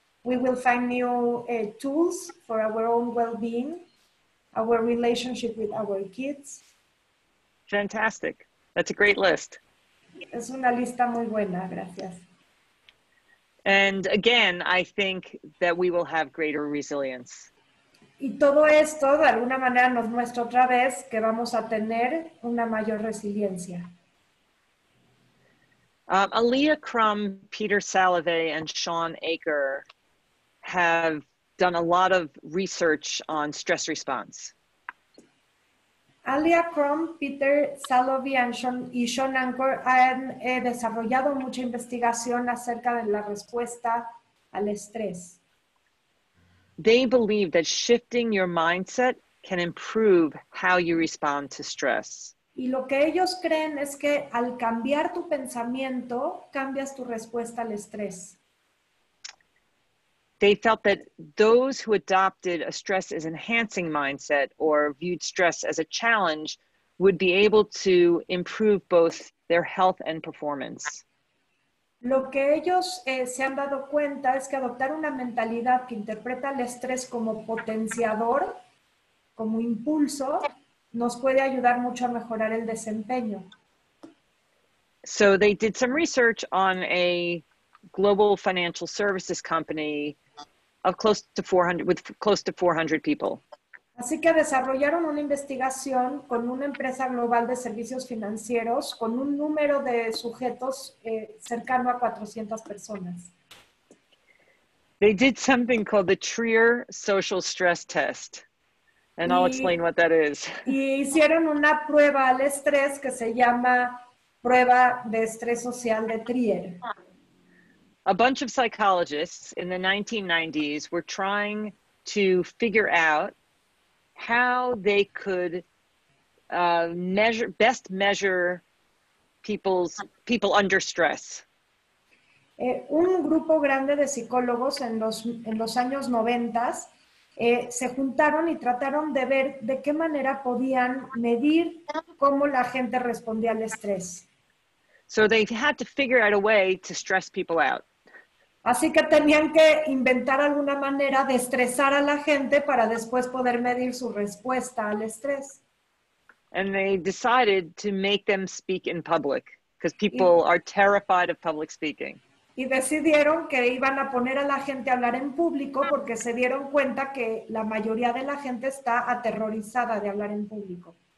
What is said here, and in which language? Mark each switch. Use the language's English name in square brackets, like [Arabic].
[English] We will find new tools for our own well-being, our relationship with our kids. Fantastic. That's a great list. [Spanish] Es una lista muy buena, gracias. [English] And again, I think that we will have greater resilience. [Spanish] Y todo esto, de alguna manera, nos muestra otra vez que vamos a tener una mayor resiliencia. [English] Aaliyah Crum, Peter Salovey, and Sean Aker have done a lot of research on stress response. [Spanish] Alia Crum, Peter Salovey y Sean Anker han desarrollado mucha investigación acerca de la respuesta al estrés. [English] They believe that shifting your mindset can improve how you respond to stress. [Spanish] Y lo que ellos creen es que al cambiar tu pensamiento, cambias tu respuesta al estrés. [English] They felt that those who adopted a stress as enhancing mindset or viewed stress as a challenge would be able to improve both their health and performance. [Spanish] Lo que ellos se han dado cuenta es que adoptar una mentalidad que interpreta el estrés como potenciador, como impulso, nos puede ayudar mucho a mejorar el desempeño. [English] So they did some research on a global financial services company of close to 400 people. [Spanish] Así que desarrollaron una investigación con una empresa global de servicios financieros con un número de sujetos cercano a 400 personas. [English] They did something called the Trier Social Stress Test. And I'll explain what that is. [Spanish] Y hicieron una prueba al estrés que se llama prueba de estrés social de Trier. [English] A bunch of psychologists in the 1990s were trying to figure out how they could best measure people under stress. [Spanish] Un grupo grande de psicólogos en los años 90s se juntaron y trataron de ver de qué manera podían medir cómo la gente respondía al estrés. [English] So they had to figure out a way to stress people out. [Spanish] Así que tenían que inventar alguna manera de estresar a la gente para después poder medir su respuesta al estrés. [English] And they decided to make them speak in public, because people are terrified of public speaking. [Spanish] Y decidieron que iban a poner a la gente a hablar en público porque se dieron cuenta que la mayoría de la gente está aterrorizada de hablar en público.